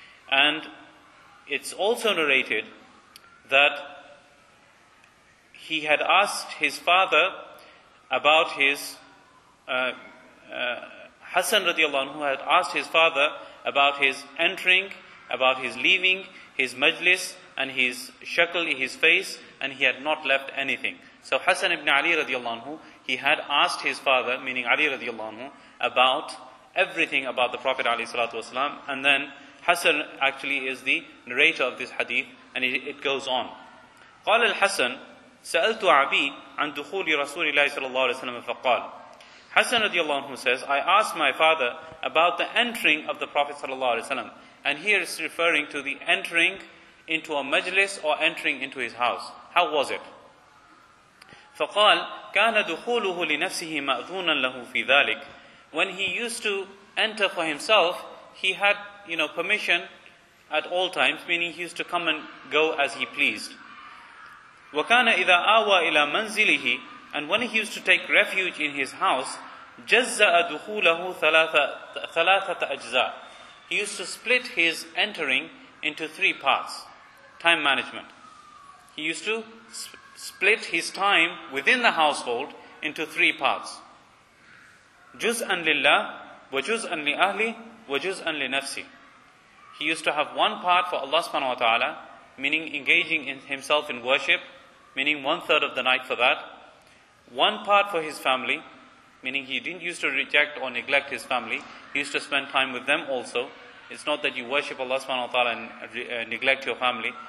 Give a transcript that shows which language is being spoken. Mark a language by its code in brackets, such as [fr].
[en] And it's also narrated that he had asked his father about his Hasan radiallahu anhu had asked his father about his entering, about his leaving, his majlis, and his shakl, his face, and he had not left anything. So Hasan ibn Ali radiallahu anhu, he had asked his father, meaning Ali radiallahu anhu, about everything about the Prophet alayhi salatu wasalam, and then Hasan actually is the narrator of this hadith, and it goes on. [ar] قال الحسن سألت عبي عن دخول رسول الله صلى الله عليه وسلم فقال. [en] Hasan radiallahu anhu says, I asked my father about the entering of the Prophet sallallahu alaihi wasallam, and here it's referring to the entering into a majlis or entering into his house. How was it? [ar] فقال كان دخوله لنفسه مأذونا له في ذلك. [en] When he used to enter for himself, he had, you know, permission at all times, meaning he used to come and go as he pleased. [ar] وكان إذا آوى إلى منزله, [en] and when he used to take refuge in his house, [ar] جزأ دخوله ثلاثة أجزاء. [en] He used to split his entering into three parts. Time management. He used to split his time within the household into three parts. [ar] جزءاً لله وجزءاً لأهلي وجزءاً لنفسي. [en] He used to have one part for Allah subhanahu wa ta'ala, meaning engaging in himself in worship, meaning one third of the night for that. One part for his family, meaning he didn't used to reject or neglect his family. He used to spend time with them also. It's not that you worship Allah subhanahu wa ta'ala and neglect your family.